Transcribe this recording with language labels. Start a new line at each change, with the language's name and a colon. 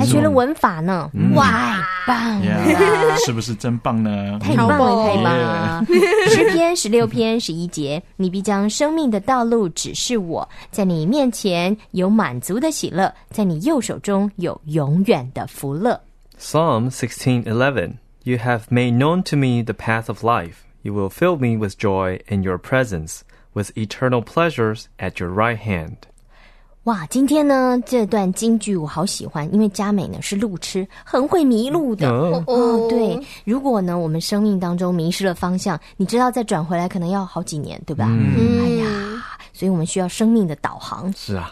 Chinese: 还学了文法呢，哇，棒，是不是真棒呢？太棒了，太棒了。诗篇十六篇十一节，你必将生命的道路指示我，在你面前有满足的喜乐，在你右手中有永远的福乐。
English: Psalm 16:11, You have made known to me the path of life. You will fill me with joy in your presence, with eternal pleasures at your right hand.
Chinese: 哇，今天呢这段金句我好喜欢，因为佳美呢是路痴，很会迷路的。对，如果呢我们生命当中迷失了方向，你知道再转回来可能要好几年，对吧？哎呀，所以我们需要生命的导航。是啊，